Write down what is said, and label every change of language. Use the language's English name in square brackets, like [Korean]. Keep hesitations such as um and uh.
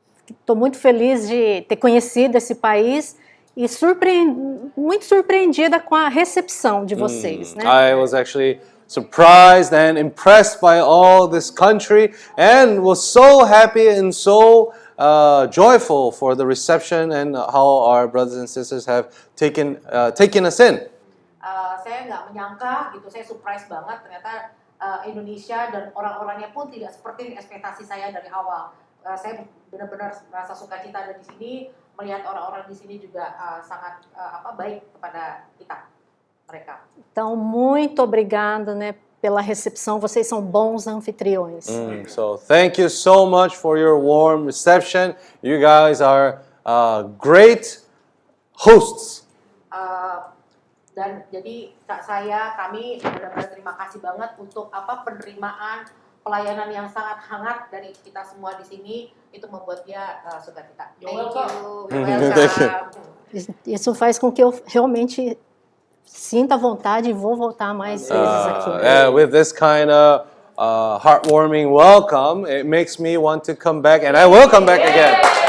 [Portuguese] Estou muito feliz de ter conhecido esse país e muito surpreendida com a recepção de vocês, mm. né? [English] I was actually surprised and impressed by all this country and was so happy and so uh, joyful for the reception and how our brothers and sisters have taken uh, taken us in. [Indonesian] Uh, saya nggak menyangka gitu, saya surprise banget ternyata. Uh, Indonesia dan orang-orangnya pun tidak seperti ekspektasi saya dari awal. Uh, saya benar-benar merasa suka cita di sini, melihat orang-orang di sini juga uh, sangat uh, apa baik kepada kita mereka. [Portuguese] Então muito obrigado, né, pela recepção. Vocês são bons anfitriões. [English] Mm, so thank you so much for your warm reception. You guys are uh, great hosts. [Indonesian] Uh, dan jadi kak saya kami benar-benar terima kasih banget untuk apa penerimaan pelayanan yang sangat hangat dari kita semua di sini itu membuat dia uh, suka kita. [English] Thank you. [Portuguese] Isso faz com que eu realmente sinta vontade e vou voltar mais vezes aqui. [English] with this kind of a uh, heartwarming welcome it makes me want to come back and i will come back again